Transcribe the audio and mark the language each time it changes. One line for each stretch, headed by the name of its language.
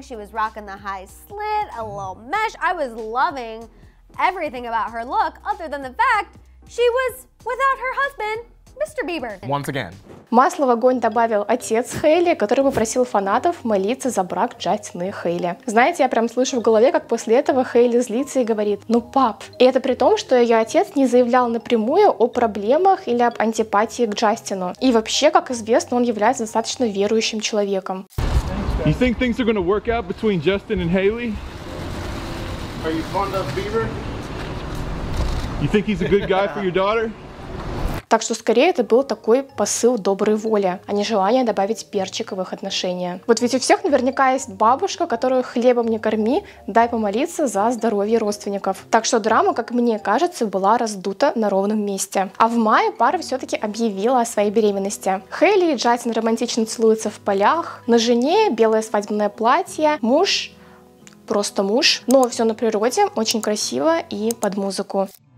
English: She was rocking the high slit, a little mesh. I was loving everything about her look, other than the fact she was without her husband. Mr. Bieber. Once again.
Russian: Масло в огонь добавил отец Хейли, который попросил фанатов молиться за брак Джастина и Хейли. Знаете, я прям слышу в голове, как после этого Хейли злится и говорит: «Ну, пап». И это при том, что ее отец не заявлял напрямую о проблемах или об антипатии к Джастину. И вообще, как известно, он является достаточно верующим человеком.
English: You think things are gonna work out between Justin and Hailey? Are you fond of Bieber? You think he's a good guy for your daughter?
Russian: Так что скорее это был такой посыл доброй воли, а не желание добавить перчик в их отношения. Вот ведь у всех наверняка есть бабушка, которую хлебом не корми, дай помолиться за здоровье родственников. Так что драма, как мне кажется, была раздута на ровном месте. А в мае пара все-таки объявила о своей беременности. Хейли и Джастин романтично целуются в полях, на жене белое свадебное платье, муж просто муж, но все на природе, очень красиво и под музыку.